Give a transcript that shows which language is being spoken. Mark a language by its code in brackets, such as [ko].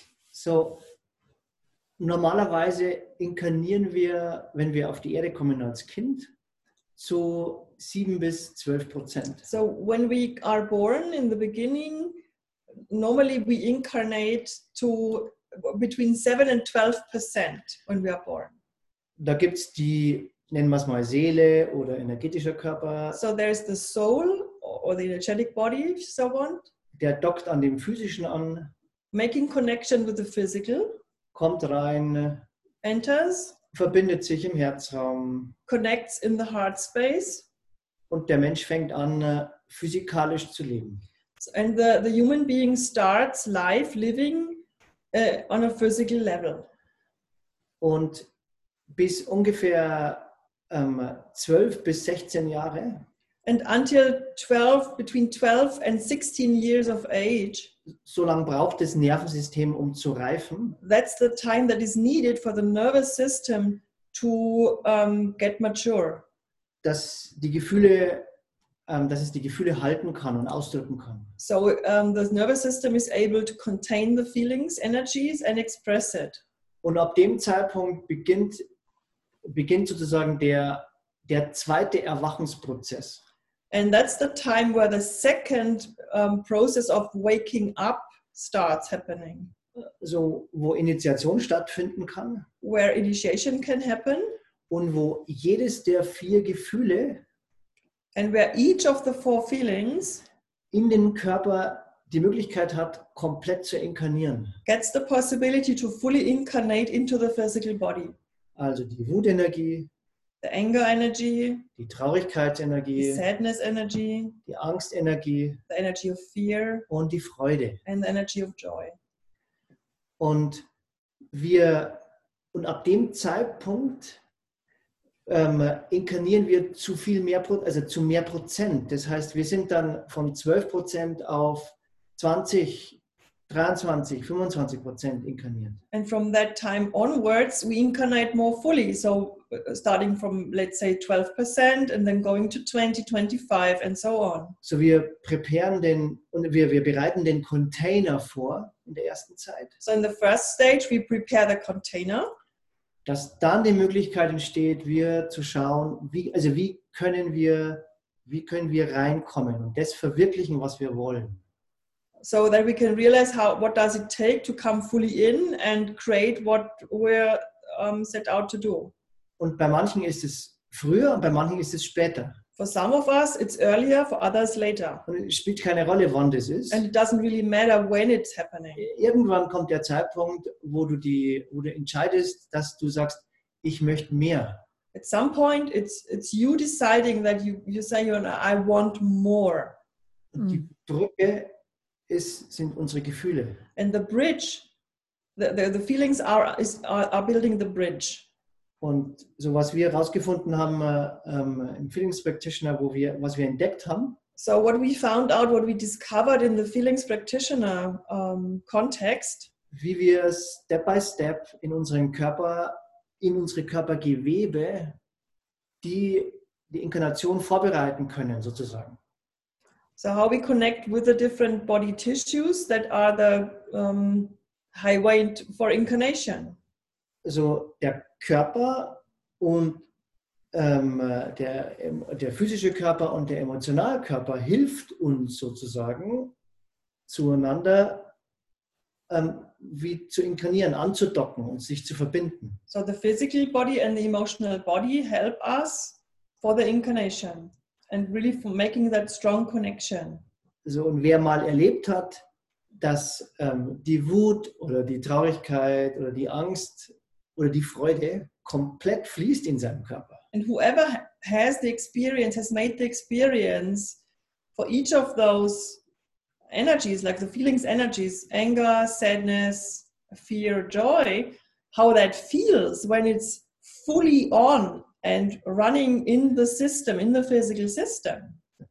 [de] So normalerweise inkarnieren wir, wenn wir auf die Erde kommen als Kind, so 7-12%. [en] So when we are born in the beginning, normally we incarnate to between 7-12% when we are born. [de] Da gibt's die, nennen wir es mal Seele oder energetischer Körper. [en] So there's the soul or the energetic body, if you so want. [de] Der dockt an dem physischen an. [en] Making connection with the physical. [de] Kommt rein. [en] Enters. [de] Verbindet sich im Herzraum. [en] Connects in the heart space. [de] Und der Mensch fängt an, physikalisch zu leben. [en] And the human being starts life living on a physical level. [de] Und bis ungefähr 12-16 Jahre. [en] And until 12, between 12 and 16 years of age. [de] So lang braucht das Nervensystem, um zu reifen. [en] That's the time that is needed for the nervous system to get mature. [de] Dass die Gefühle, dass es die Gefühle halten kann und ausdrücken kann. [en] So the nervous system is able to contain the feelings, energies and express it. [de] Und ab dem Zeitpunkt beginnt sozusagen der zweite Erwachungsprozess. [en] And that's the time where the second process of waking up starts happening. [de] So, wo Initiation stattfinden kann. [en] Where initiation can happen. [de] Und wo jedes der vier Gefühle. [en] And where each of the four feelings. [de] In den Körper die Möglichkeit hat, komplett zu inkarnieren. [en] Gets the possibility to fully incarnate into the physical body. [de] Also die Wutenergie. [en] The anger energy, [de] die Traurigkeitsenergie, [en] the sadness energy, [de] die Angstenergie, [en] the energy of fear, [de] und die Freude, [en] and the energy of joy. [de] Und ab dem Zeitpunkt inkarnieren wir zu viel mehr, also zu mehr Prozent. Das heißt, wir sind dann von 12% auf 20, 23, 25% inkarniert. [en] And from that time onwards, we incarnate more fully. So starting from, let's say, 12% and then going to 20, 25 and so on. [de] So wir preparen den, und wir bereiten den Container vor in der ersten Zeit. [en] So in the first stage, we prepare the container. [de] Dass dann die Möglichkeit entsteht, wir zu schauen, wie können wir reinkommen und das verwirklichen, was wir wollen. [en] So that we can realize what does it take to come fully in and create what we're set out to do. [de] Und bei manchen ist es früher und bei manchen ist es später. [en] For some of us it's earlier, for others later. [de] Und es spielt keine Rolle, wann das ist. [en] And it doesn't really matter when it's happening. [de] Irgendwann kommt der Zeitpunkt, wo du entscheidest, dass du sagst, ich möchte mehr. [en] At some point it's you deciding that you say, you know, I want more. [de] Und die Brücke sind unsere Gefühle. [en] And the bridge, the feelings are building the bridge. [de] Und so was wir herausgefunden haben im Feelings Practitioner, was wir entdeckt haben. [en] So what we found out, what we discovered in the Feelings Practitioner context. [de] Wie wir [en] step by step [de] in unseren Körper, in unsere Körpergewebe, die Inkarnation vorbereiten können, sozusagen. [en] So how we connect with the different body tissues that are the highway for incarnation. [de] So der Körper und der physische Körper und der emotionale Körper hilft uns sozusagen zueinander wie zu inkarnieren, anzudocken und sich zu verbinden. [en] So the physical body and the emotional body help us for the incarnation. And really for making that strong connection. [de] So, und wer mal erlebt hat, dass die Wut oder die Traurigkeit oder die Angst oder die Freude komplett fließt in seinem Körper. [en] And whoever has the experience, has made the experience for each of those energies, like the feelings, energies, anger, sadness, fear, joy, how that feels when it's fully on. And running in the system, in the physical system.